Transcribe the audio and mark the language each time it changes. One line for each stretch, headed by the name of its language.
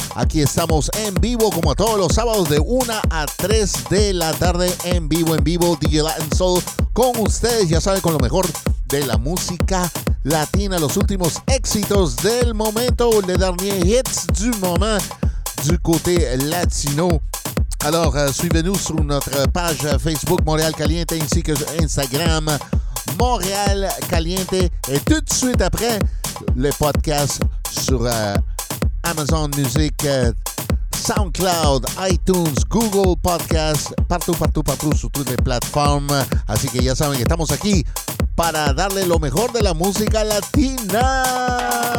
Spanish: Aquí estamos en vivo como todos los sábados de 1 a 3 de la tarde en vivo, DJ Latin Soul con ustedes, ya saben, con lo mejor de la música latina, los últimos éxitos del momento,
French: les derniers hits du moment. Du côté latino. Alors, suivez-nous sur notre page Facebook Montréal Caliente ainsi que Instagram Montréal Caliente. Et tout de suite après, le podcast sur Amazon Music, SoundCloud, iTunes, Google Podcast, partout sur toutes les plateformes.
Spanish: Así que ya saben que estamos aquí para darle lo mejor de la música latina.